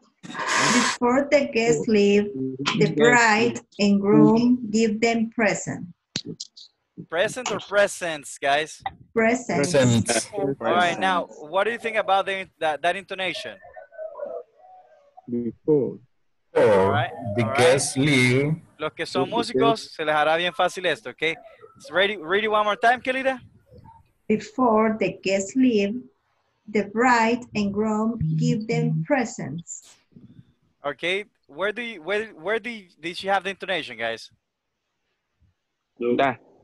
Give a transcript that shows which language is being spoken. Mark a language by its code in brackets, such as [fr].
[en] Before the guests leave, the bride and groom give them present. Present or presence, guys? Present. All right, now, what do you think about that intonation? Before the guests leave. [es] Los que son músicos, se les hará bien fácil esto, okay? [en] Ready one more time, Kelida. Before the guests leave, the bride and groom give them presents. Okay, where did she have the intonation, guys? That.